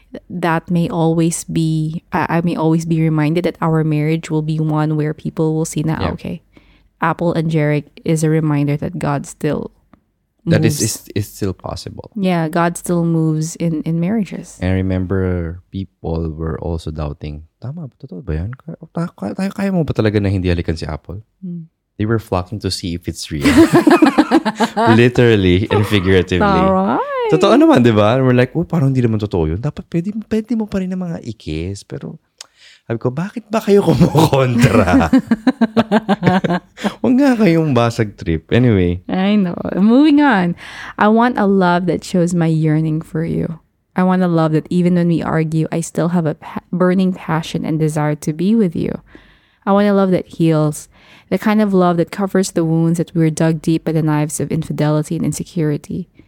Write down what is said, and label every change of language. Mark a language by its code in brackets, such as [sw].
[en] That may always be, I may always be reminded that our marriage will be one where people will see that, okay, Apple and Jarek is a reminder that God still moves. That is still possible. Yeah, God still moves in marriages. And I remember people were also doubting, [tl] tama, totoo ba yan? Kaya mo ba talaga na hindi halikan si Apple? [en] They were flocking to see if it's real. Literally and figuratively. All right. [tl] Totoo naman, di ba? [en] We're like, [tl] parang hindi naman totoo yun. Dapat pwede mo pa rin ng mga ikis. Pero Sabi ko, bakit ba kayo kumukontra? Huwag nga kayong basag trip. [en] Anyway. I know. Moving on. I want a love that shows my yearning for you. I want a love that even when we argue, I still have a burning passion and desire to be with you. I want a love that heals. The kind of love that covers the wounds that were dug deep by the knives of infidelity and insecurity.